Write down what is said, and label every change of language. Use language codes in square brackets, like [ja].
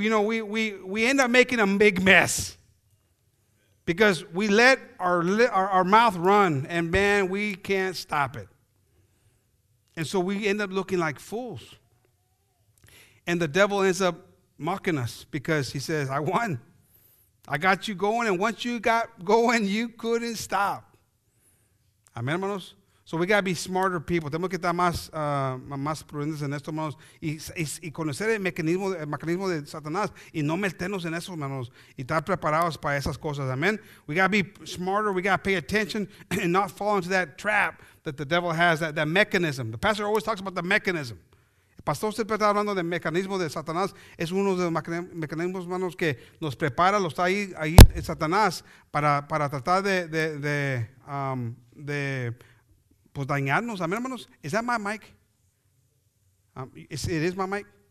[en] You know, we end up making a big mess because we let our mouth run, and man, we can't stop it. And so we end up looking like fools. And the devil ends up mocking us because he says, I won. I got you going, and once you got going, you couldn't stop. [es] Amén, hermanos. [en] So we got to be smarter people. [es] Tenemos que estar más prudentes en esto, hermanos. Y conocer el mecanismo de Satanás. Y no meternos en eso, hermanos. Y estar preparados para esas cosas. Amén. [en] We got to be smarter. We got to pay attention and not fall into that trap that the devil has, that mechanism. The pastor always talks about the mechanism. [es] Pastor, usted está hablando del mecanismo de Satanás. Es uno de los mecanismos, hermanos, que nos prepara, lo está ahí Satanás, para tratar de pues dañarnos. Amén, hermanos. [en] ¿Es that my mic? It is my mic.